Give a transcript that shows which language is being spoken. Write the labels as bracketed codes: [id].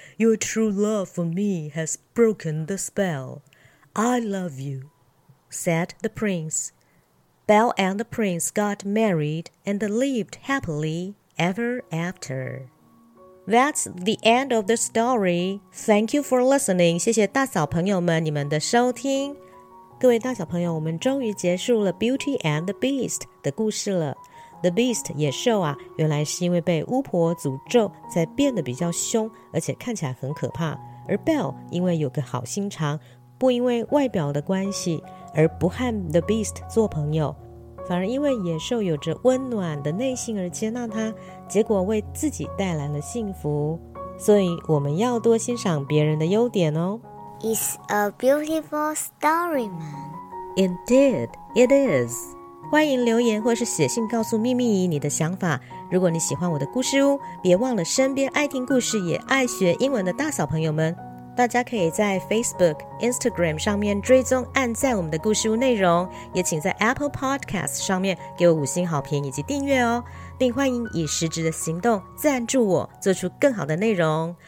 [en] Your true love for me has broken the spell. I love you, said the prince. Belle and the prince got married and lived happily ever after. That's the end of the story. Thank you for listening. [zh] 谢谢大小朋友们你们的收听。各位大小朋友，我们终于结束了 Beauty and the Beast 的故事了。 The Beast 野兽啊，原来是因为被巫婆诅咒才变得比较凶，而且看起来很可怕。而 Belle 因为有个好心肠，不因为外表的关系而不和 The Beast 做朋友，反而因为野兽有着温暖的内心而接纳他，结果为自己带来了幸福。所以我们要多欣赏别人的优点哦。 [en] It's a beautiful story, man. Indeed, it is. [zh] 欢迎留言或是写信告诉秘密你的想法。如果你喜欢我的故事哦，别忘了身边爱听故事也爱学英文的大小朋友们，大家可以在 Facebook、Instagram 上面追踪、按赞我们的故事屋内容，也请在 Apple Podcast 上面给我五星好评以及订阅哦，并欢迎以实质的行动赞助我，做出更好的内容。